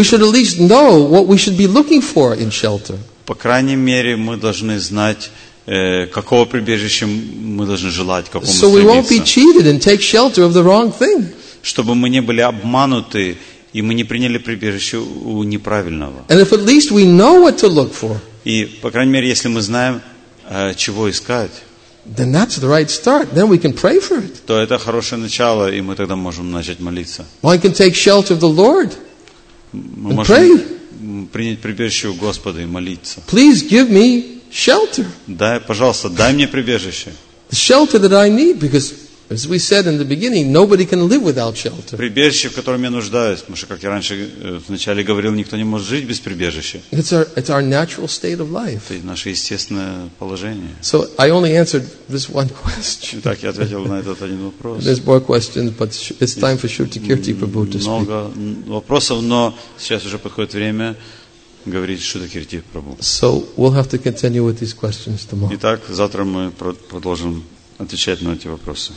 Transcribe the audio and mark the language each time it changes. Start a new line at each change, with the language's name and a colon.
English: We should at least know what we should be looking for in shelter.
Russian: По крайней мере, мы должны знать, какого прибежища мы должны желать, какому стремиться.
English: So we won't be cheated and take shelter of the wrong thing.
Russian: Чтобы мы не были обмануты и мы не приняли прибежище у неправильного.
English: And if at least we know what to look for.
Russian: И по крайней мере, если мы знаем, чего искать.
English: Then that's the right start. Then we can pray for it.
Russian: То это хорошее начало, и мы тогда можем начать молиться.
English: One can take shelter of the Lord.
Russian: Мы можем принять прибежище у Господа и молиться.
English: Please give me shelter.
Russian: Дай, пожалуйста, дай мне прибежище.
English: The shelter that I need, because, as we said in the beginning, nobody can live without shelter.
Russian: Прибежище, в котором я нуждаюсь, потому что, как я раньше вначале говорил, никто не может жить без прибежища.
English: It's our natural state of life.
Russian: Это наше естественное положение.
English: So I only answered this one question.
Russian: Итак, я ответил на этот один вопрос.
English: There's more questions, but it's time for Shrutakirti Prabhu to speak.
Russian: Много вопросов, но сейчас уже подходит время. Говорит Шудакирти Прабу.
English: So we'll have to continue with these questions tomorrow.
Russian: Итак, завтра мы продолжим отвечать на эти вопросы.